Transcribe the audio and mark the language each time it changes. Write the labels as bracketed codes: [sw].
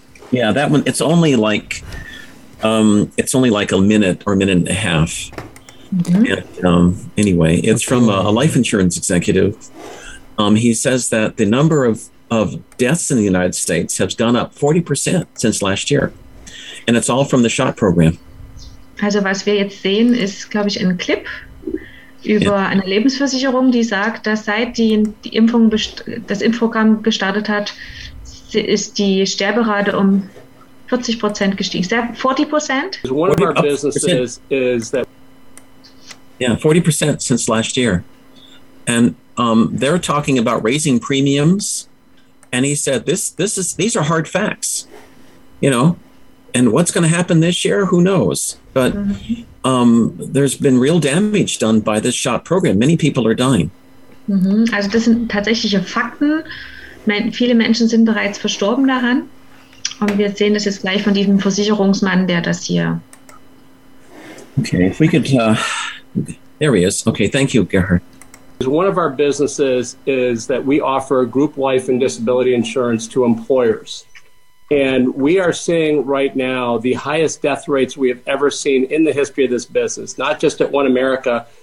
[en] Yeah, that one, it's only like, it's only like a minute or a minute and a half. Mm-hmm. And, anyway, it's from a life insurance executive. He says that the number of deaths in the United States has gone up 40% since last year. And it's all from the SHOT program. [de] Also was wir jetzt sehen, ist, glaube ich, ein Clip über eine Lebensversicherung, die sagt, dass seit die Impfung das Impfprogramm gestartet hat, ist die Sterberate um 40% gestiegen. [en] Is that 40%? One of our businesses is that... Yeah, 40% since last year. And they're talking about raising premiums. And he said, these are hard facts, you know. And what's going to happen this year? Who knows? But there's been real damage done by this SHOT program. Many people are dying. Mm-hmm. [de] Also das sind tatsächliche Fakten. Viele Menschen sind bereits verstorben daran. Und wir sehen das jetzt gleich von diesem Versicherungsmann, der das hier... [en] Okay, if we could... there he is. Okay, thank you, Gerhard. One of our businesses is that we offer group life and disability insurance to employers. And we are seeing right now the highest death rates we have ever seen in the history of this business, not just at One America.